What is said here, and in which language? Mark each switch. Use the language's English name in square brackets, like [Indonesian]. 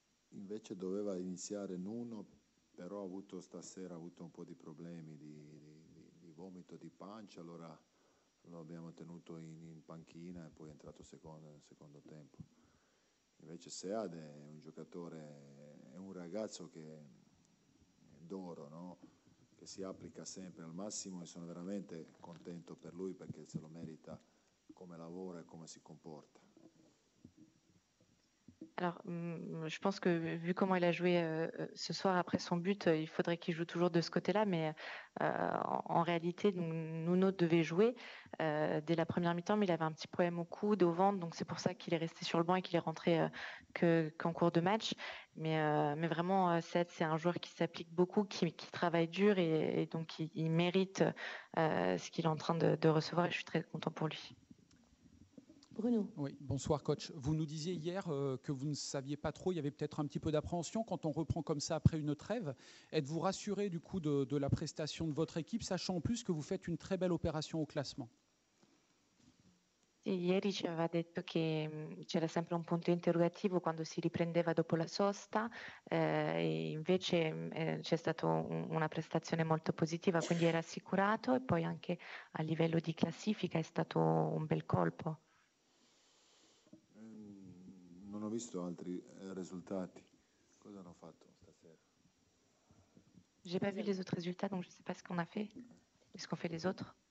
[Italian] Invece doveva iniziare Nuno, però ha avuto stasera un po' di problemi di vomito di pancia, allora lo abbiamo tenuto in panchina e poi è entrato nel secondo tempo. Invece Sead è un giocatore, è un ragazzo che è d'oro, no? Che si applica sempre al massimo e sono veramente contento per lui perché se lo merita come lavora e come si comporta. [French] Alors, je pense que vu comment il a joué ce soir après son but, il faudrait qu'il joue toujours de ce côté-là. Mais en réalité, donc, Nuno devait jouer dès la première mi-temps, mais il avait un petit problème au coude, au ventre. Donc c'est pour ça qu'il est resté sur le banc et qu'il est rentré qu'en cours de match. Mais vraiment, Seth, c'est un joueur qui s'applique beaucoup, qui travaille dur et donc il mérite ce qu'il est en train de recevoir et je suis très content pour lui. Bruno. Oui, bonsoir, coach. Vous nous disiez hier que vous ne saviez pas trop, il y avait peut-être un petit peu d'appréhension quand on reprend comme ça après une trêve. Êtes-vous rassuré du coup de la prestation de votre équipe, sachant en plus que vous faites une très belle opération au classement? [Italian] Ieri ci aveva detto che c'era sempre un punto interrogativo quando si riprendeva dopo la sosta, e invece c'è stata una prestazione molto positiva, quindi era assicurato e poi anche a livello di classifica è stato un bel colpo. Non ho visto altri risultati. Cosa hanno fatto stasera? [French] J'ai pas vu les autres résultats, donc je sais pas ce qu'on a fait. Est-ce qu'on fait les autres?